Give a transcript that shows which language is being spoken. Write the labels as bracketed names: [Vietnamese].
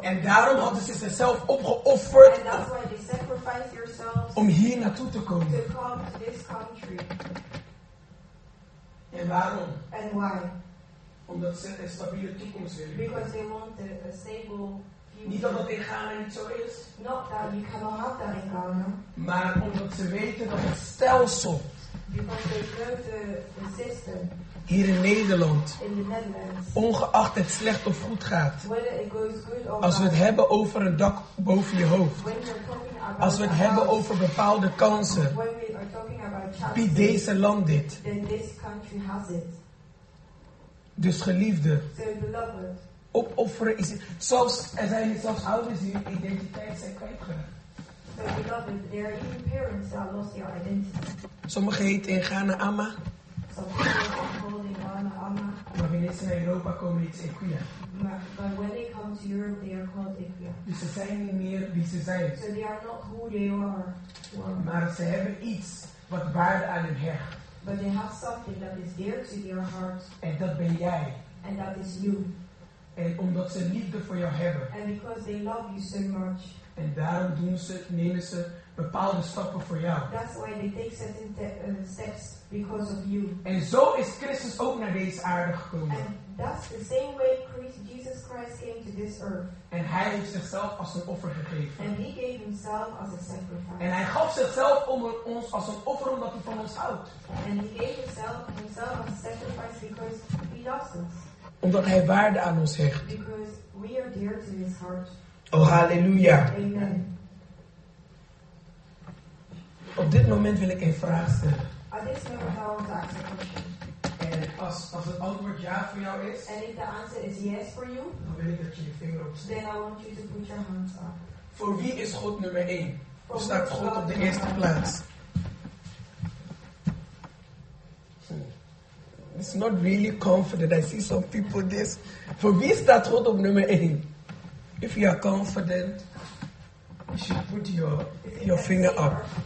[Dutch] En daarom hadden ze zichzelf opgeofferd. [English] And that's why they sacrificed yourselves. [Dutch] Om hier naartoe te komen. [English] To come to this country. [Dutch] En waarom? [English] And why? [Dutch] Omdat ze een stabiele toekomst willen. [English] Because they want a stable future. [Dutch] Niet omdat in Ghana niet zo is. [English] Not that you cannot have that in Ghana. [Dutch] Maar omdat ze weten dat het stelsel. [English] Because they know the system. [Dutch] Hier in Nederland. [English] In the Netherlands. [Dutch] Ongeacht het slecht of goed gaat. [English] Whether it goes good or [Dutch] als we het hebben over een dak boven je hoofd. [English] When you're talking about [Dutch] als we het hebben over bepaalde kansen. [English] When we are talking about chances, [Dutch] biedt deze land dit. [English] Then this country has it. [Dutch] Dus geliefde. [English] So [Dutch] opofferen is. Zelfs, er zijn zelfs ouders die hun identiteit zijn kwijtgeraakt. [English] So beloved, there are even parents that lost their identity. [Dutch] Sommige heet in Ghana Amma. [English] Some people are called in Ghana Amma. [Dutch] Maar wanneer ze naar Europa komen, heet ze Equia. [English] But when they come to Europe, they are called Equia. [Dutch] Dus ze zijn niet meer wie ze zijn. [English] So they are not who they are. [Dutch] Maar ze hebben iets wat waarde aan hun hecht. [English] But they have something that is dear to your heart. [Dutch] En dat ben jij. [English] And that is you. [Dutch] En omdat ze liefde voor jou hebben. [English] And because they love you so much. [Dutch] En daarom doen ze, nemen ze bepaalde stappen voor jou. [English] That's why they take certain steps because of you. [Dutch] En zo is Christus ook naar deze aarde gekomen. [English] And that's the same way Jesus Christ came to this earth. [Dutch] En hij heeft zichzelf als een offer gegeven. [English] And he gave himself as a sacrifice. [Dutch] En hij gaf zichzelf om ons als een offer omdat hij van ons houdt. [English] And he gave himself as a sacrifice because he loves us. [Dutch] Omdat hij waarde aan ons hecht. [English] Because we are dear to his heart. Oh, halleluja. Amen. [Dutch] Op dit moment wil ik een vraag stellen. [English] At this moment I want to ask a question. [Dutch] En als het antwoord ja voor jou is. [English] And if the answer is yes for you. [Dutch] Dan wil ik dat je je vinger opsteekt. [English] Then I want you to put your hands up. [Dutch] Voor wie is God nummer 1? Of staat God op de eerste plaats? [English] It's not really confident. I see some people this. [Dutch] Voor wie staat God op nummer 1? [English] If you are confident, you should put your finger up.